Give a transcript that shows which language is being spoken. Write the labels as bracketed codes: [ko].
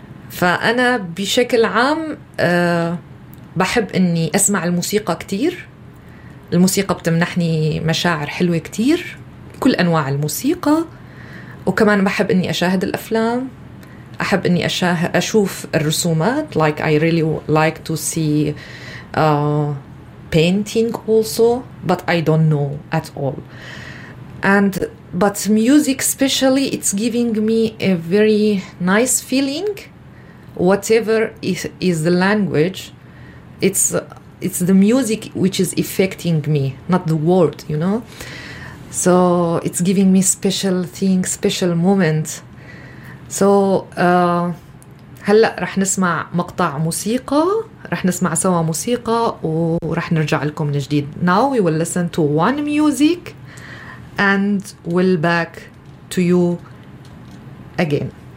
[ar] فأنا بشكل عام بحب أني أسمع الموسيقى كتير، الموسيقى بتمنحني مشاعر حلوة كتير، كل أنواع الموسيقى، وكمان بحب أني أشاهد الأفلام، أحب أني أشوف الرسومات، [en] like I really like to see painting also, but I don't know at all. And but music especially, it's giving me a very nice feeling. Whatever is the language, it's the music which is affecting me, not the word, you know. So it's giving me special things, special moments. So [ar] هلا رح نسمع مقطع موسيقى، رح نسمع سوا موسيقى ورح نرجع لكم من جديد. [en] Now we will listen to one music and we'll back to you again.